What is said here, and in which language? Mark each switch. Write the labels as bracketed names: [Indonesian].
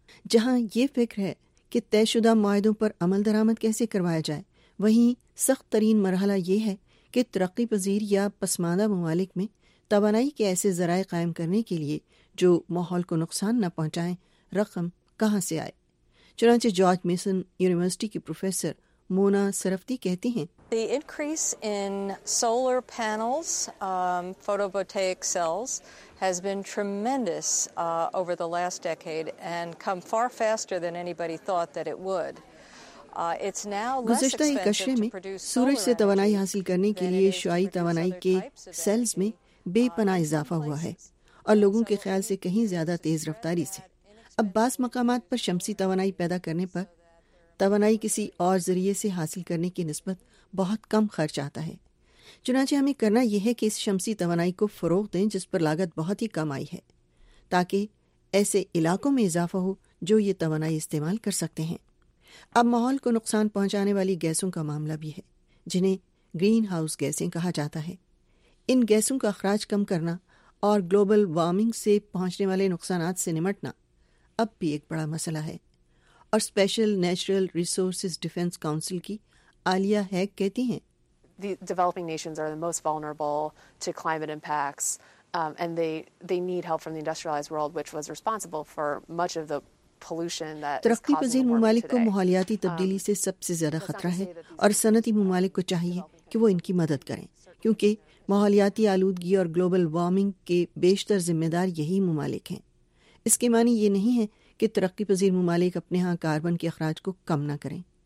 [Urdu] جہاں یہ فکر ہے کہ طے شدہ معاہدوں پر عمل درآمد کیسے کروایا جائے، وہیں سخت ترین مرحلہ یہ ہے کہ ترقی پذیر یا پسماندہ ممالک میں توانائی کے ایسے ذرائع قائم کرنے کے لیے جو ماحول کو نقصان نہ پہنچائیں رقم کہاں سے آئے۔ چنانچہ جارج میسن یونیورسٹی کی پروفیسر مونا سرفتی کہتی ہیں، [English] The increase in solar panels, photovoltaic cells has been tremendous over the last decade and come far faster than anybody thought that it would. It's now less expensive to produce solar energy. [Urdu] سورج سے توانائی حاصل کرنے کے لیے شعاعی توانائی کے sales میں بے پناہ اضافہ ہوا ہے، اور لوگوں کے خیال سے کہیں زیادہ تیز رفتاری سے۔ اب بعض مقامات پر شمسی توانائی پیدا کرنے پر توانائی کسی اور ذریعے سے حاصل کرنے کی نسبت بہت کم خرچ آتا ہے، چنانچہ ہمیں کرنا یہ ہے کہ اس شمسی توانائی کو فروغ دیں جس پر لاگت بہت ہی کم آئی ہے، تاکہ ایسے علاقوں میں اضافہ ہو جو یہ توانائی استعمال کر سکتے ہیں۔ اب ماحول کو نقصان پہنچانے والی گیسوں کا معاملہ بھی ہے، جنہیں گرین ہاؤس گیسیں کہا جاتا ہے۔ ان گیسوں کا اخراج کم کرنا اور گلوبل وارمنگ سے پہنچنے والے نقصانات سے نمٹنا اب بھی ایک بڑا مسئلہ ہے، اور special natural resources defence council کی عالیہ ہیگ کہتی ہیں، [English] The developing nations are the most vulnerable to climate impacts and they need help from the industrialized world which was responsible for much of the pollution that [Urdu] ترقی پذیر ممالک کو ماحولیاتی تبدیلی سے سب سے زیادہ خطرہ ہے، اور صنعتی ممالک کو چاہیے کہ وہ ان کی مدد کریں، کیونکہ ماحولیاتی آلودگی اور گلوبل وارمنگ کے بیشتر ذمہ دار یہی ممالک ہیں۔ اس کے معنی یہ نہیں ہے کہ ترقی پذیر ممالک اپنے ہاں کاربن کے اخراج کو کم نہ کریں،